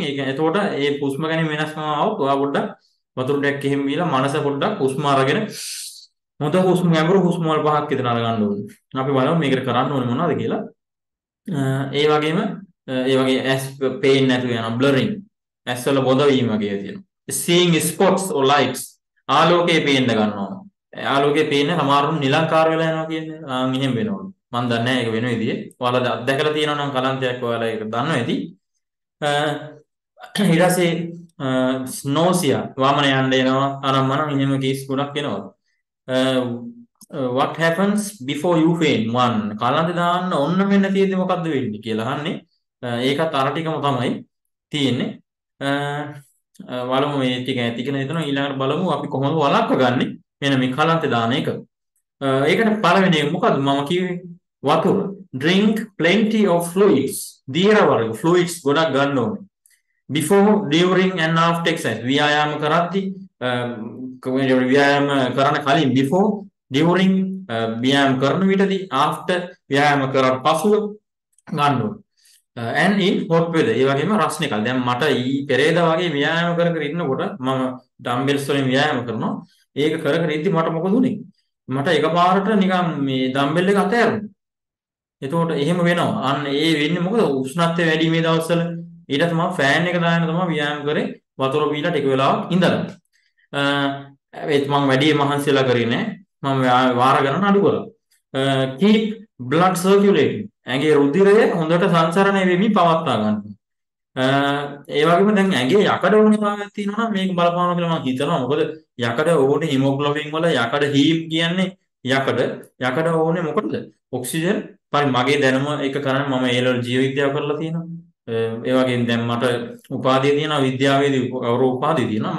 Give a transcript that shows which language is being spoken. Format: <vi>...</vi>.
<si>ඒ කියන්නේ එතකොට ඒ හුස්ම ගැන වෙනස්කම් ආවොත් ඔයා පොඩ්ඩක් වතුර ටිකක් එහෙම බීලා මනස පොඩ්ඩක් හුස්ම අරගෙන මොද හුස්ම ගැඹුරු හුස්ම වල පහක් ඉදන් අර ගන්න ඕනේ. අපි බලමු මේකට කරන්න ඕනේ මොනවද කියලා. ඒ වගේම ඒ වගේ ඇස් පේන් නැතු යන බ්ලරින්, ඇස් වල බොඳ වීම වගේ තියෙනවා.</si> <en>seeing spots or lights,</en> <si>ආලෝකයේ පේන්න ගන්නවා. ආලෝකයේ පේන්නේ සමහරවිට නිලංකාර වෙලා යනවා කියන්නේ. එහෙම වෙනවා. මන් දන්නේ ඒක වෙන විදිහේ. ඔයාලා අත්දැකලා තියෙනවා නම් කලන්තයක් ඔයාලා ඒක දන්නවා ඇති. ඊට පස්සේ nausea, වමන යන්න එනවා. අනම්මන එහෙම කේස් ගොඩක් එනවා.</si> <en>what happens before you faint?</en> <si>one, කලන්ත දාන්න ඔන්න මෙන්න තියෙද්දි මොකද්ද වෙන්නේ කියලා අහන්නේ. ඒකත් අර ටිකම තමයි තියෙන්නේ. බලමු මේ ටික ඇති කියලා හිතනවා. ඊළඟට බලමු අපි කොහොමද වළක්වගන්නේ මෙන්න මේ කලන්ත දාන එක. ඒකට පළවෙනි එක මොකද්ද මම කිව්වේ? වතුර.</si> <en>drink plenty of fluids.</en> <si>දීර වර්ග fluids ගොඩක් ගන්න ඕනේ.</si> <en>before, during and after exercise.</en> <si>ව්‍යායාම කරද්දි ව්‍යායාම කරන කලින්</si> <en>before, during</en> <si>ව්‍යායාම කරන විටදී after ව්‍යායාම කරන පසුව ගන්න ඕනේ.</si> <en>and in hot weather.</en> <si>ඒ වගේම රස්නේ කාලේ. දැන් මට ඊ පෙරේද වගේ ව්‍යායාම කර කර ඉන්නකොට මම dumbbells වලින් ව්‍යායාම කරනවා. ඒක කර කර ඉද්දි මට මොකද උනේ? මට එකපාරට නිකන් මේ dumbbell එක අතෑරුණා. එතකොට එහෙම වෙනවා. අන්න ඒ වෙන්නේ මොකද? උෂ්ණත්වය වැඩි මේ දවස්වල. ඊට පස්සේ මම ෆෑන් එක දාගෙන තමයි ව්‍යායාම කරේ. වතුර බීලා ටික වෙලාවක් ඉඳලා. ඒත් මම වැඩි මහන්සියලා කරේ නෑ. මම වාර ගණන් අඩු කරා.</si> <en>keep blood circulating.</en> <si>ඇඟේ රුධිරය හොඳට සංසරණය වෙමින් පවත්වා ගන්න. ඒ වගේම දැන් ඇඟේ යකඩ වුණේතාවයක් තියෙනවා නම් මේක බලපානවා කියලා මම හිතනවා. මොකද යකඩ ඕනේ හිමෝග්ලොබින් වල, යකඩ හීම් කියන්නේ යකඩ. යකඩ ඕනේ මොකටද? ඔක්සිජන්. පරි මගේ දැනුම එක කරන්නේ මම ඒ ලෙවල් ජීව විද්‍යාව කරලා තියෙනවා. ඒ වගේම දැන් මට උපාධිය තියෙනවා, විද්‍යාවේදී ගෞරව උපාධිය තියෙනවා.</si>